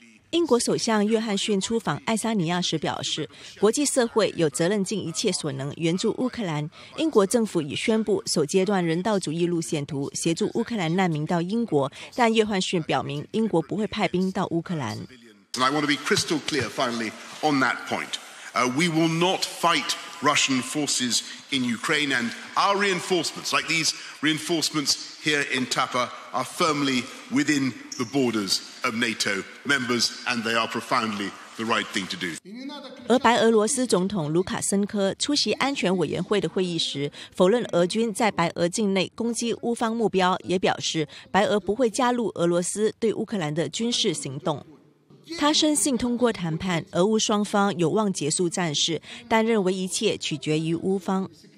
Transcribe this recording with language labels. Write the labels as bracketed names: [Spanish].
[Chinese] 英国首相约翰逊出访爱沙尼亚时表示，国际社会有责任尽一切所能援助乌克兰。英国政府已宣布首阶段人道主义路线图，协助乌克兰难民到英国，但约翰逊表明英国不会派兵到乌克兰。 [English] I want to be crystal clear finally on that point. We will not fight Russian forces in Ukraine, and our reinforcements, like these reinforcements here in Tapa, are firmly within the borders of NATO members, and they are profoundly the right thing to do. [Chinese] 而白俄罗斯总统卢卡申科出席安全委员会的会议时，否认俄军在白俄境内攻击乌方目标，也表示白俄不会加入俄罗斯对乌克兰的军事行动。他深信通过谈判，俄乌双方有望结束战事，但认为一切取决于乌方。